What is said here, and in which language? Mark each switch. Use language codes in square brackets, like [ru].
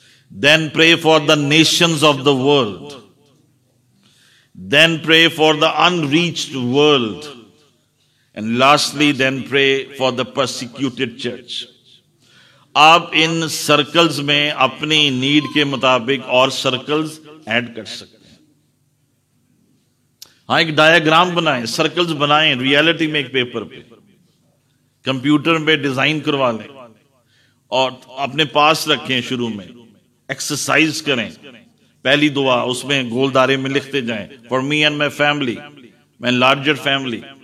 [en] Then pray for the nations of the world. Then pray for the unreached world. And lastly, then pray for the persecuted church. [ur] آپ ان circles میں اپنی need کے مطابق اور circles add کر سکتے ہیں. ہاں, ایک ڈائیگرام بنائیں, سرکلز بنائیں ریالٹی میں, ایک پیپر پہ, کمپیوٹر میں ڈیزائن کروا لیں اور اپنے پاس رکھیں, شروع میں ایکسرسائز کریں, پہلی دعا اس میں گول دائرے میں لکھتے جائیں, [en] For me and my family, my larger family.